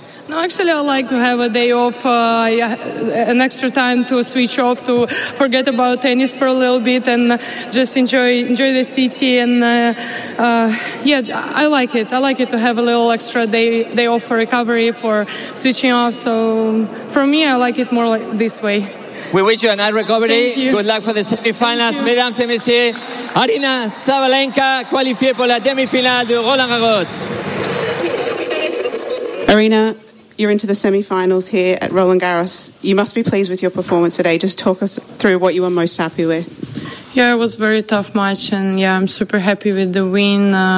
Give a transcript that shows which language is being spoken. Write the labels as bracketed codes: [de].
[en] No, actually, I like to have a day off, an extra time to switch off, to forget about tennis for a little bit and just enjoy the city. And yeah, I like it. I like it to have a little extra day off for recovery, for switching off. So for me, I like it more like this way. We wish you a nice recovery. Thank you. Good luck for the semifinals. [fr] Mesdames et messieurs, Aryna Sabalenka, qualifiée pour la demi-finale de Roland Garros. [en] Aryna, you're into the semi-finals here at Roland Garros. You must be pleased with your performance today. Just talk us through what you were most happy with. Yeah, it was a very tough match, and yeah, I'm super happy with the win.